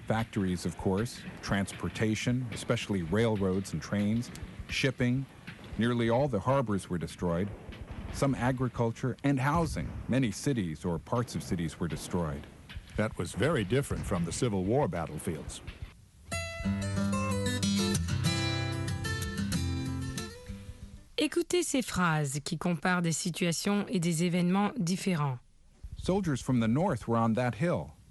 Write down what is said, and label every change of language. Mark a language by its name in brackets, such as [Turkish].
[English] Factories, of course. Transportation, especially railroads and trains. Shipping. Nearly all the harbors were destroyed. Some agriculture and housing. Many cities or parts of cities were destroyed. That was very different from the Civil War battlefields. [French] Écoutez ces phrases qui comparent des situations et des événements différents. [English] Soldiers from the north were on that hill.